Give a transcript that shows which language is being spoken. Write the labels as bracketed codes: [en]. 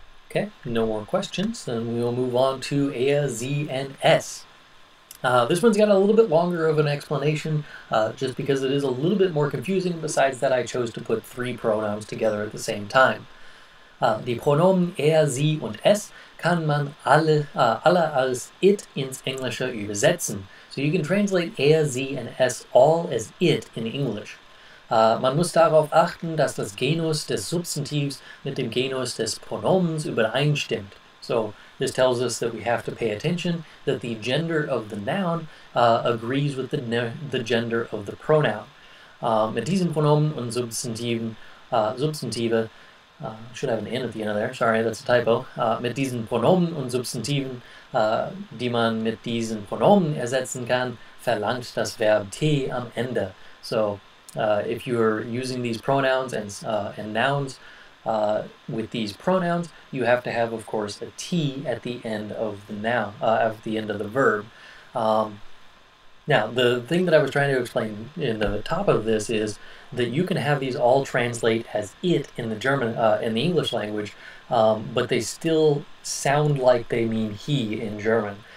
[en] Okay, no more questions, then we will move on to er, sie, and es. This one's got a little bit longer of an explanation, just because it is a little bit more confusing, besides that I chose to put three pronouns together at the same time. [de] Die Pronomen er, sie, und es kann man alle als it ins Englische übersetzen. [en] So you can translate er, sie, and es all as it in English. [de] Man muss darauf achten, dass das Genus des Substantivs mit dem Genus des Pronomens übereinstimmt. [en] So, this tells us that we have to pay attention that the gender of the noun agrees with the gender of the pronoun. [de] Mit diesen Pronomen und Substantiven, Substantive, [en] should have an N at the end of there, sorry, that's a typo. [de] Mit diesen Pronomen und Substantiven, die man mit diesen Pronomen ersetzen kann, verlangt das Verb T am Ende. [en] So, if you're using these pronouns and nouns with these pronouns, you have to have, of course, a T at the end of the noun, at the end of the verb. Now, the thing that I was trying to explain in the top of this is that you can have these all translate as it in the German, in the English language, but they still sound like they mean he in German.